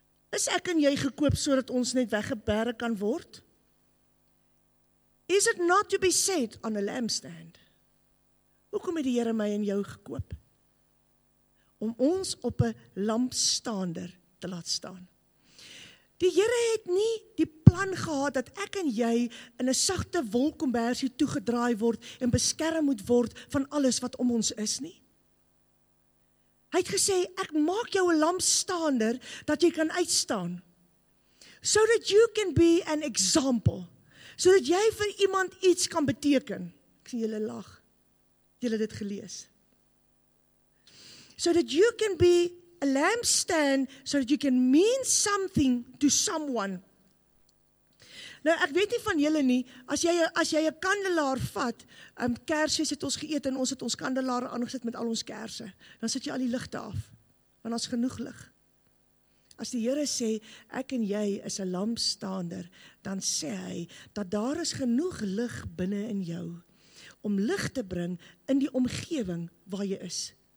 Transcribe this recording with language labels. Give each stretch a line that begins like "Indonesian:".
Afrikaans: Is ek en jy gekoop sodat ons net weggebere kan word?
English: Is it not to be set on a lampstand?
Afrikaans: Hoekom het die Here my en jou gekoop? Om ons op 'n lampstaander te laat staan. Die Here het nie die plan gehad dat ek en jy in 'n sagte wolkombersie toegedraai word en beskerm moet word van alles wat om ons is nie. Hy het gesê, ek maak jou 'n lampstaander, dat jy kan uitstaan.
English: So that you can be an example.
Afrikaans: So dat jy vir iemand iets kan beteken. Ek sien julle lag. Julle het dit gelees.
English: So that you can be a lampstand, so that you can mean something to someone.
Afrikaans: Nou, ek weet nie van julle nie, as jy 'n kandelaar vat, kersies het ons geëet en ons het ons kandelaar aangesit met al ons kersen, dan sit jy al die ligte af, want as genoeg lig. As die Here sê, ek en jy is 'n lampstaander, dan sê hy, dat daar is genoeg lig binnen in jou, om lig te bring in die omgewing waar jy is.